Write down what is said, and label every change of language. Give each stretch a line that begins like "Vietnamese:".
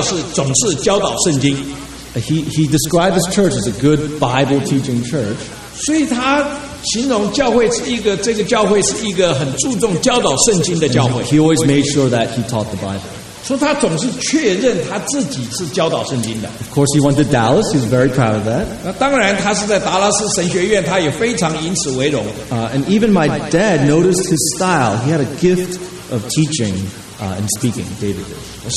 Chinese: 第二点，大卫很重要强调的是，总是教导圣经。
English: He described his church as a good Bible teaching church.
Chinese: 所以他形容教会是一个很注重教导圣经的教会。
English: He always made sure that he taught the Bible.
Chinese: 说他总是确认他自己是教导圣经的。
English: Of course, he went to Dallas. He's very proud of that.
Chinese: 那当然，他是在达拉斯神学院，他也非常以此为荣。
English: And even my dad noticed his style. He had a gift of teaching. And speaking, David did.